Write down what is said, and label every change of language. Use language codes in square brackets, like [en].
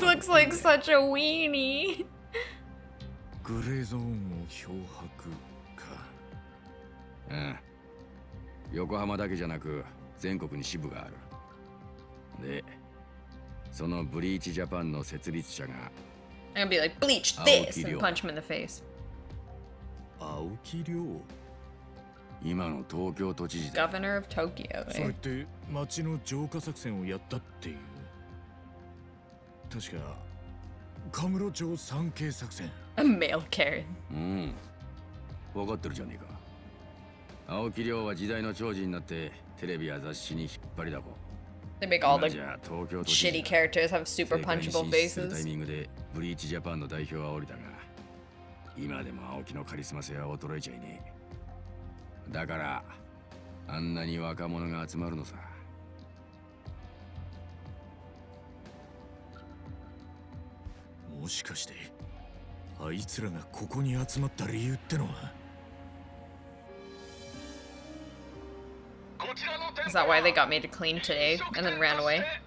[en] looks like such a weenie. [ja] グレーゾーンを漂白か。うん。横浜だけじゃなく 全国に支部がある。で、そのブリーチジャパンの設立者が [en] I'm gonna be like, bleach this, and punch him in the face. [ja] 青木亮。今の東京都知事だ。 [en] Governor of Tokyo, eh? [ja] それって町の浄化作戦をやったっていう。確か、神室町参詣作戦。 [en] A male Karen. [ja] うん。わかってるじゃねえか。青木亮は時代の寵児になってテレビや雑誌に引っ張りだこ。 [en] They make all the shitty characters have super punchable faces. [ja] タイミングでブリーチジャパンの代表は降りたが、今でも青木のカリスマ性は衰えちゃいねえ。だからあんなに若者が集まるのさ。もしかしてあいつらがここに集まった理由ってのは？ [en] Is that why they got made clean today and then ran away?